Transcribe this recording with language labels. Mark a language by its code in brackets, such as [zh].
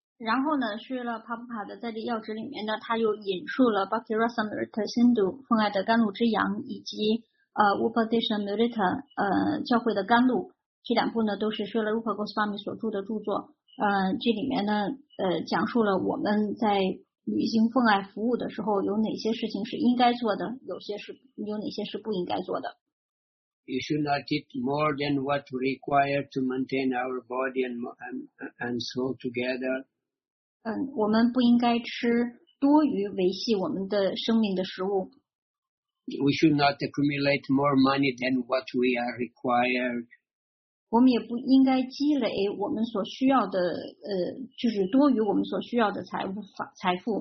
[zh] 然后呢是了帕布帕的在这要旨里面呢他又引述了 Bhakti Rasamrita Sindhu 奉爱的甘露之羊以及Upadeshamrita 教会的甘露这两部呢都是了 Rupa Goswami 所著的著作这里面呢讲述了我们在履行奉爱服务的时候有哪些事情是应该做的有哪些是不应该做的 [en] You should not eat more than what required to maintain our body and soul together. [zh] 我们不应该吃多余维系我们的生命的食物 [en] We should not accumulate more money than what we are required. [zh] 我们也不应该积累我们所需要的就是多于我们所需要的财富。